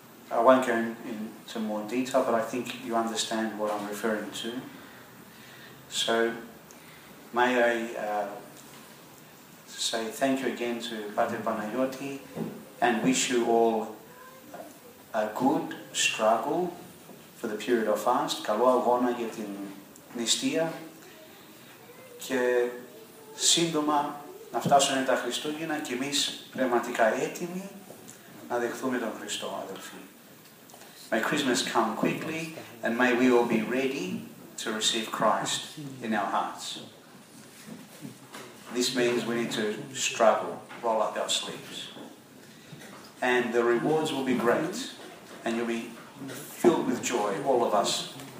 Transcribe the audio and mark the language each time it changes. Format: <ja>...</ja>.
<en>I won't go into more detail, but I think you understand what I'm referring to. So may I say thank you again to Padre Panayoti and wish you all a good struggle for the period of fast.</en> <el>Καλό αγώνα για την νηστεία και σύντομα να φτάσουν τα Χριστούγεννα και εμείς πνευματικά έτοιμοι να δεχθούμε τον Χριστό, αδελφοί.</el> <en>May Christmas come quickly and may we all be ready to receive Christ in our hearts. This means we need to struggle, roll up our sleeves. And the rewards will be great, and you'll be filled with joy, all of us.</en>